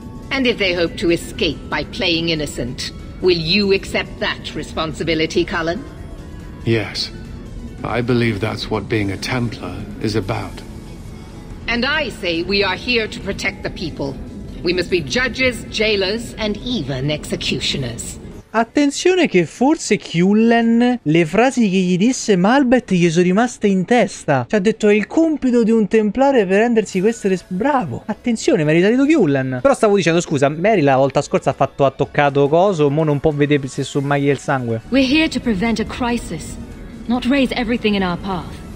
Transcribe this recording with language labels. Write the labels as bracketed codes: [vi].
[en] And if they hope to escape by playing innocent, will you accept that responsibility, Cullen? Yes. I believe that's what being a Templar is about. And I say we are here to protect the people. We must be judges, jailers, and even executioners. [it] Attenzione che forse Cullen, le frasi che gli disse Malbeth gli sono rimaste in testa. Ci ha detto: è il compito di un templare prendersi queste bravo. Attenzione, mi è risalito Cullen. Però stavo dicendo, scusa, Mary la volta scorsa ha fatto, ha toccato coso, mo non può vedere se su maglia il sangue. [en] We're here to prevent a crisis, not raise everything in our path.